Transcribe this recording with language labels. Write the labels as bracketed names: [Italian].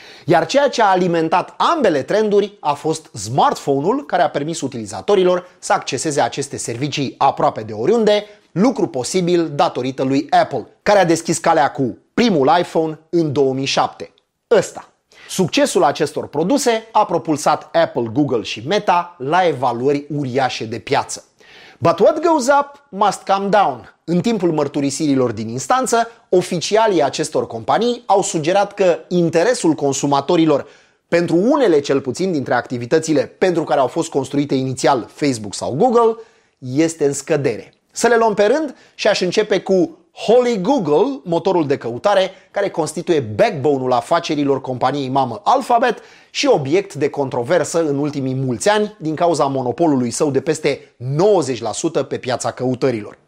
[Romanian] Iar ceea ce a alimentat ambele trenduri a fost smartphone-ul, care a permis utilizatorilor să acceseze aceste servicii aproape de oriunde, lucru posibil datorită lui Apple, care a deschis calea cu primul iPhone în 2007. Ăsta. Succesul acestor produse a propulsat Apple, Google și Meta la evaluări uriașe de piață. [English] But what goes up must come down. [Romanian] În timpul mărturisirilor din instanță, oficialii acestor companii au sugerat că interesul consumatorilor pentru unele cel puțin dintre activitățile pentru care au fost construite inițial Facebook sau Google este în scădere. Să le luăm pe rând și aș începe cu Holy Google, motorul de căutare care constituie backbone-ul afacerilor companiei mamă Alphabet și obiect de controversă în ultimii mulți ani din cauza monopolului său de peste 90% pe piața căutărilor.